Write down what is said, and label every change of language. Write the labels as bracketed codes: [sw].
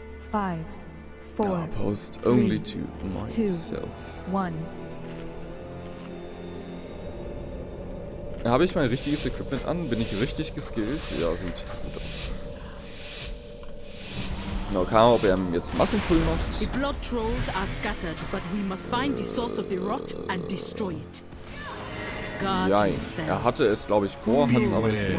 [en] 5, 4, post only to myself. 1. [de] Habe ich mein richtiges Equipment an? Bin ich richtig geskillt? Ja, sieht gut aus. Na, kann man, ob er jetzt Massenpull macht? [en] The blood trolls are scattered, but we must find the source of the rot and destroy it. [de] Nein, er hatte es, glaube ich, vor, hat es aber nicht